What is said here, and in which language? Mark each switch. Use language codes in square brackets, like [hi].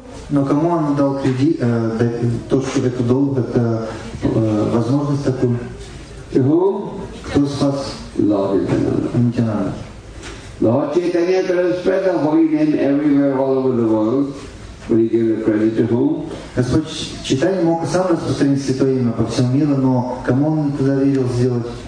[ru] Но кому он дал кредит, то, что это долг, это возможность такую? [en] Who? [ru] Кто спас? [en] Lord Chaitanya. Lord Chaitanya could have spread the holy name everywhere all over the world. Would he give the credit to whom? [ru] Господь Читание мог сам распространить Святое Имя по всему миру, но кому он это доверил сделать?